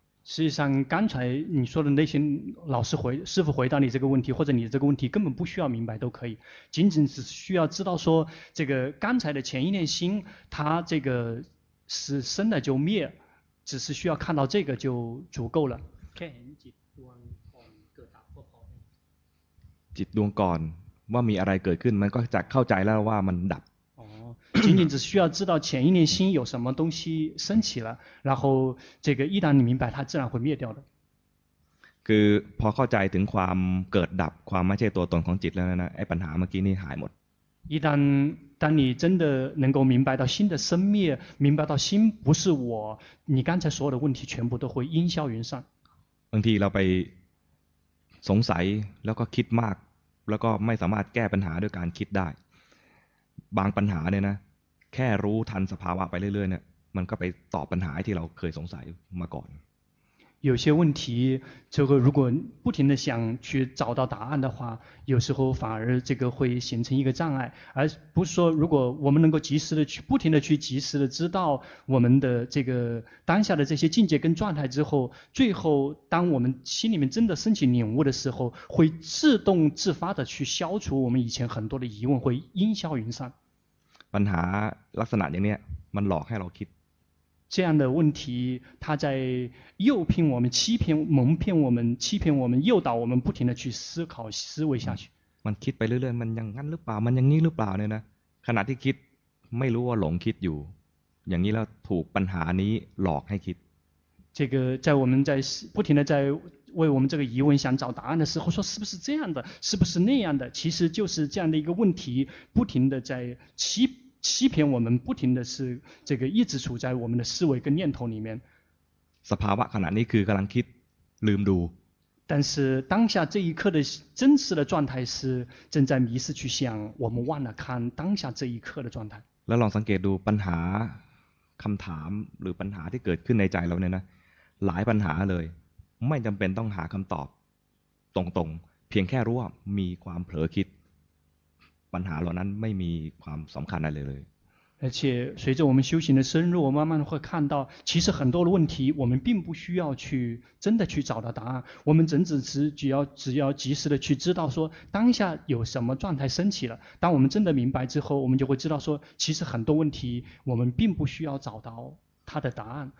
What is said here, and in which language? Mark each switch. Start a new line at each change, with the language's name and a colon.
Chinese: 事实上刚才你说的那些师父回答你这个问题或者你这个问题根本不需要明白都可以仅仅只需要知道说这个刚才的前一念心它这个是生了就灭只是需要看到这个就足够了
Thai: จิตดวงก่อนว่ามีอะไรเกิดขึ้นมันก็จะเข้าใจแล้วว่ามันดับ
Chinese: 仅仅只需要知道前一念心有什么东西升起了然后这个一旦你明白它自然会灭掉的
Thai: คือพอเข้าใจถึงความเกิดดับความไม่ใช่ตัวตนของจิตแล้วนะไอ้ปัญหาเมื่อกี้นี่หายหมด
Chinese: 一旦当你真的能够明白到心的生灭，明白到心不是我，你刚才所有的问题全部都会烟消云散。
Thai: บางทีเราไปสงสัยแล้วก็คิดมากแล้วก็ไม่สามารถแก้ปัญหาด้วยการคิดได้บางปัญหาเนี่ยนะแค่รู้ทันสภาวะไปเรื่อยๆเนี่ยมันก็ไปตอบปัญหาที่เราเคยสงสัยมาก่อน
Chinese: 有些问题，这个如果不停的想去找到答案的话，有时候反而这个会形成一个障碍，而不是说如果我们能够及时的去不停的去及时的知道我们的这个当下的这些境界跟状态之后，最后当我们心里面真的升起领悟的时候，会自动自发的去消除我们以前很多的疑问，会烟消云散。问题
Thai: ลักษณะอย่างนี้มันหลอกให้เราคิด
Chinese: 这样的问题，他在诱骗我们，欺骗、蒙骗我们，欺骗我们，诱导我们不停的去思考、思维下去。
Thai: มันคิดไปเรื่อยๆมันยังงั้นหรือเปล่ามันยังงี้หรือเปล่าเนี่ยนะขณะที่คิดไม่รู้ว่าหลงคิดอยู่อย่างนี้แล้วถูกปัญหานี้หลอกให้คิด
Chinese: 这个在我们在不停的在为我们这个疑问想找答案的时候，说是不是这样的，是不是那样的，其实就是这样的一个问题，不停的在欺骗我们，不停的是这个一直处在我们的思维跟念头里面。
Thai: สภาวะขณะนี้คือกำลังคิดลืมดู。
Chinese: 但是当下这一刻的真实的状态是正在迷失去想，我们忘了看当下这一刻的状态。
Thai: แล้วลองสังเกตดูปัญหาคำถามหรือปัญหาที่เกิดขึ้นในใจเราเนี่ยนะหลายปัญหาเลยไม่จำเป็นต้องหาคำตอบตรงๆเพียงแค่รู้ว่ามีความเผลอคิดปัญหาเหล่านั้นไม่มีความสำคัญอะไรเลย
Chinese: 而且随着我们修行的深入，我慢慢会看到，其实很多的问题，我们并不需要去真的去找到答案。我们只要及时的去知道说，当下有什么状态升起了。当我们真的明白之后，我们就会知道说，其实很多问题，我们并不需要找到它的答案。